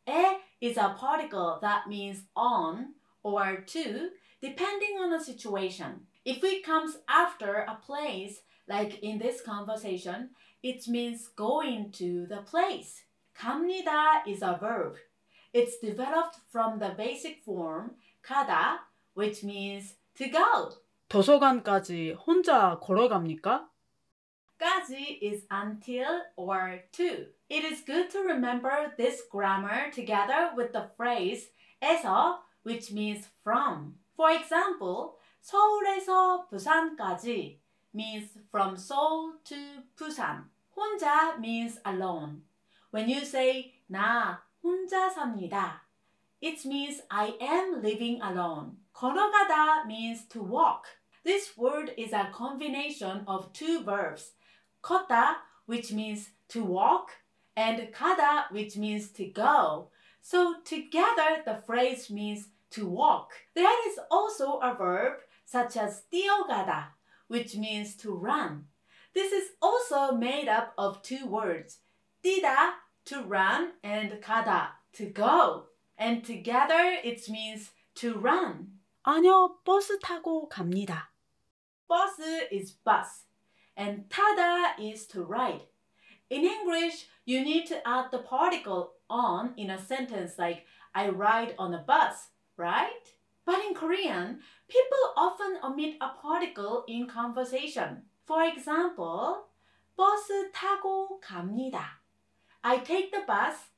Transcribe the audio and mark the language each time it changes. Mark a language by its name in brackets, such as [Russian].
[English] 에 is a particle that means on or to, depending on the situation. If it comes after a place, like in this conversation, it means going to the place. 갑니다 is a verb. It's developed from the basic form 가다, which means to go. [Korean] 도서관까지 혼자 걸어갑니까? [English] 까지 is until or to. It is good to remember this grammar together with the phrase 에서, which means from. For example, [Korean] 서울에서 부산까지 [English] means from Seoul to Busan. 혼자 means alone. When you say [Korean] 나 혼자 삽니다, [English] it means I am living alone. 걸어가다 means to walk. This word is a combination of two verbs, 걷다, which means to walk, and 가다, which means to go. So together, the phrase means to walk. There is also a verb such as 뛰어가다, which means to run. This is also made up of two words, 뛰다, to run, and 가다, to go. And together, it means to run. [Korean] 아니요, 버스 타고 갑니다. [English] 버스 is bus, and 타다 is to ride. In English, you need to add the particle on in a sentence like, I ride on a bus, right? But in Korean, people often omit a particle in conversation. For example, [Korean] 버스 타고 갑니다. [English] I take the bus.